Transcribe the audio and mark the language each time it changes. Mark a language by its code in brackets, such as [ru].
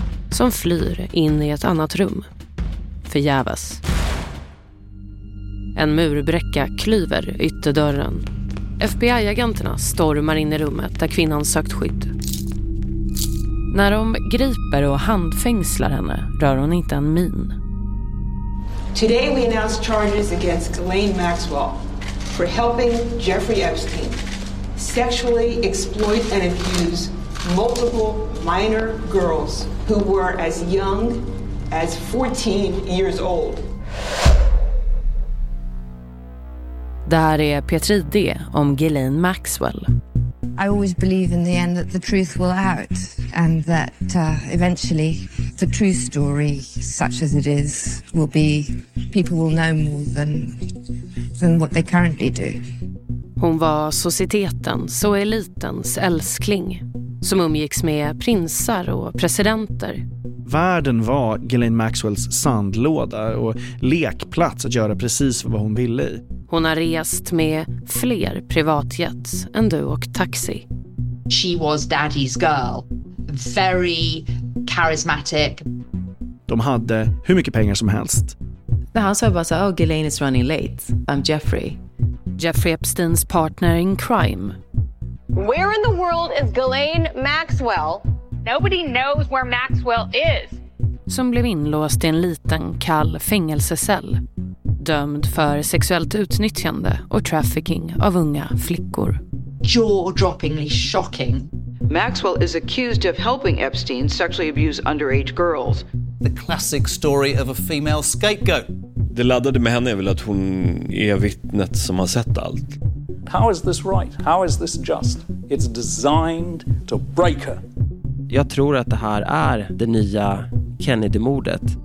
[sv] Som flyr in i ett annat rum. Förgäves. En murbräcka klyver ytterdörren. FBI-agenterna stormar in i rummet där kvinnan sökt skydd. När de griper och handfängslar henne rör hon inte en min. [en] Today we announce charges against Ghislaine Maxwell for helping Jeffrey Epstein sexually exploit and abuse multiple minor girls who were as young as 14 years old. [sv] Det här är Petri D om Ghislaine Maxwell. [en] I always believe in the end that the truth will out and that eventually the true story, such as it is, will be people will know more than what they currently do. [sv] Hon var societetens och elitens älskling som umgicks med prinsar och presidenter. Världen var Ghislaine Maxwells sandlåda och lekplats att göra precis vad hon ville i. Hon har rest med fler privatjets än du och taxi. [en] She was daddy's girl. Very charismatic. [sv] De hade hur mycket pengar som helst. [en] The household was like, oh, Ghislaine is running late. I'm Jeffrey. Jeffrey Epstein's partner in crime. Where in the world is Ghislaine Maxwell? Nobody knows where Maxwell is. [sv] Som blev inlåst i en liten kall fängelsecell. Dömd för sexuellt utnyttjande och trafficking av unga flickor. [en] Jaw-droppingly shocking. Maxwell is accused of helping Epstein sexually abuse underage girls. The classic story of a female scapegoat. [sv] Det laddade med henne är väl att hon är vittnet som har sett allt. [en] How is this right? How is this just? It's designed to break her. [sv] Jag tror att det här är det nya Kennedy-mordet.